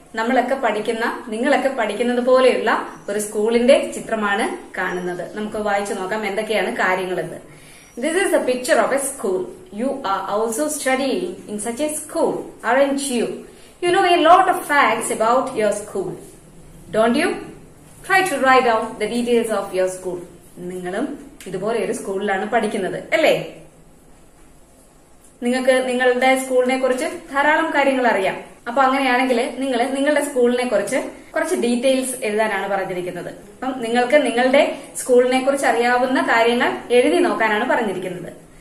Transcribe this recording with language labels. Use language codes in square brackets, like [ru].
[ml] നമ്മളൊക്കെ പഠിക്കുന്ന, നിങ്ങളൊക്കെ പഠിക്കുന്നത് പോലെയുള്ള ഒരു സ്കൂളിന്റെ ചിത്രമാണ് കാണുന്നത്. നമുക്ക് വായിച്ചു നോക്കാം എന്തൊക്കെയാണ് കാര്യങ്ങളെന്ന്. [en] This is a picture of a school. You are also studying in such a school, aren't you? You know a lot of facts about your school, don't you? Try to write down the details of your school. [ml] നിങ്ങളും ഇതുപോലെ ഒരു സ്കൂളിലാണ് പഠിക്കുന്നത് അല്ലേ? നിങ്ങൾക്ക് നിങ്ങളുടെ സ്കൂളിനെ കുറിച്ച് ധാരാളം കാര്യങ്ങൾ അറിയാം. അപ്പൊ അങ്ങനെയാണെങ്കിൽ നിങ്ങൾ നിങ്ങളുടെ സ്കൂളിനെ കുറിച്ച് കുറച്ച് ഡീറ്റെയിൽസ് എഴുതാനാണ് പറഞ്ഞിരിക്കുന്നത്. അപ്പം നിങ്ങൾക്ക് നിങ്ങളുടെ സ്കൂളിനെ കുറിച്ച് അറിയാവുന്ന കാര്യങ്ങൾ എഴുതി നോക്കാനാണ് പറഞ്ഞിരിക്കുന്നത്.